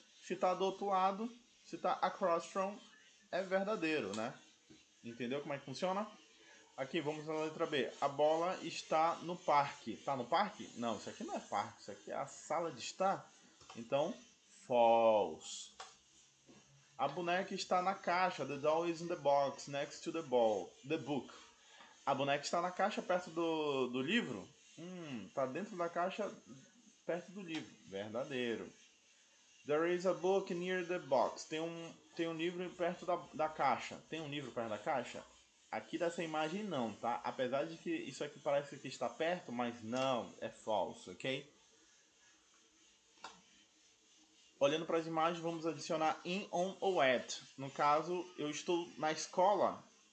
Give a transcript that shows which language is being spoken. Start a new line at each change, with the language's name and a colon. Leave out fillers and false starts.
Portuguese: Se está do outro lado, se está across from, é verdadeiro, né? Entendeu como é que funciona? Aqui, vamos na letra B. A bola está no parque. Está no parque? Não, isso aqui não é parque. Isso aqui é a sala de estar. Então, false. A boneca está na caixa.
English: The doll is in the box next to the ball. The book.
Portuguese: A boneca está na caixa perto do livro? Está dentro da caixa perto do livro. Verdadeiro.
English: There is a book near the box.
Portuguese: Tem um livro perto da caixa. Tem um livro perto da caixa? Aqui dessa imagem não, tá? Apesar de que isso aqui parece que está perto, mas não, é falso, ok? Olhando para as imagens, vamos adicionar in, on ou at. No caso, eu estou na escola.